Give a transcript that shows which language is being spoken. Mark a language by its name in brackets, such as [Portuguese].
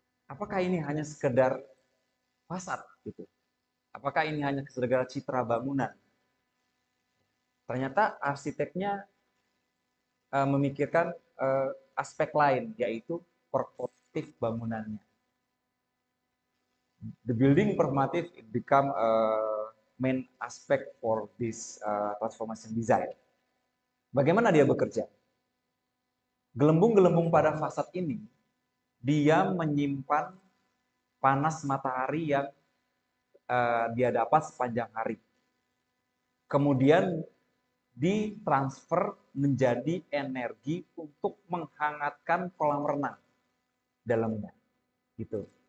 [Indonesian] Apakah ini hanya sekedar fasad gitu? Apakah ini hanya sekedar citra bangunan? Ternyata arsiteknya memikirkan aspek lain yaitu performatif bangunannya. [English] The building performative it become a main aspect for this transformation design. [Indonesian] Bagaimana dia bekerja? Gelembung-gelembung pada fasad ini, dia menyimpan panas matahari yang dia dapat sepanjang hari. Kemudian ditransfer menjadi energi untuk menghangatkan kolam renang dalamnya. Gitu.